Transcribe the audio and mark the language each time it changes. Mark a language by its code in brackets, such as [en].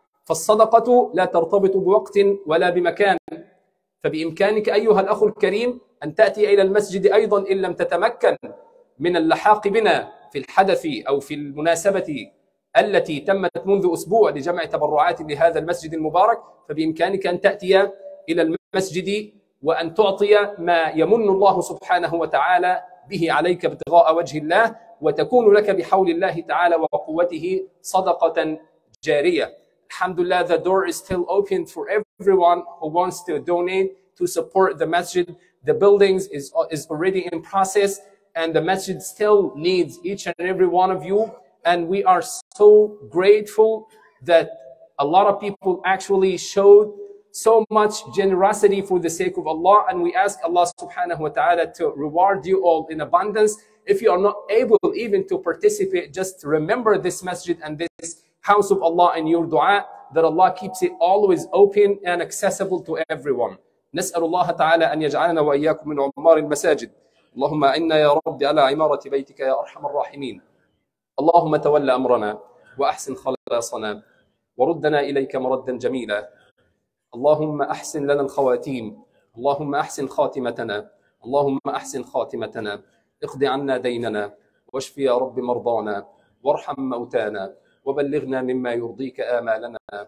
[ar] فالصدقة لا ترتبط بوقت ولا بمكان، فبإمكانك أيها الأخ الكريم أن تأتي إلى المسجد أيضا إن لم تتمكن من اللحاق بنا في الحدث أو في المناسبة التي تمت منذ أسبوع لجمع تبرعات لهذا المسجد المبارك، فبإمكانك أن تأتي إلى المسجد وأن تعطي ما يمن الله سبحانه وتعالى به عليك ابتغاء وجه الله، وتكون لك بحول الله تعالى وقوته صدقة جارية. [en] الحمد لله, the door is still open for everyone who wants to donate to support the masjid. The buildings is already in process, and the masjid still needs each and every one of you. And we are so grateful that a lot of people actually showed so much generosity for the sake of Allah. And we ask Allah subhanahu wa ta'ala to reward you all in abundance. If you are not able even to participate, just remember this masjid and this house of Allah in your dua, that Allah keeps it always open and accessible to everyone. [ar] نسأل الله تعالى أن يجعلنا وإياكم من عمار المساجد. اللهم إنا يا رب على عمارة بيتك يا أرحم الراحمين. اللهم تولى أمرنا وأحسن خلاصنا وردنا إليك مردا جميلا. اللهم أحسن لنا الخواتيم، اللهم أحسن خاتمتنا، اللهم أحسن خاتمتنا، اقض عنا ديننا، واشف يا رب مرضانا، وارحم موتانا، وبلغنا مما يرضيك آمالنا.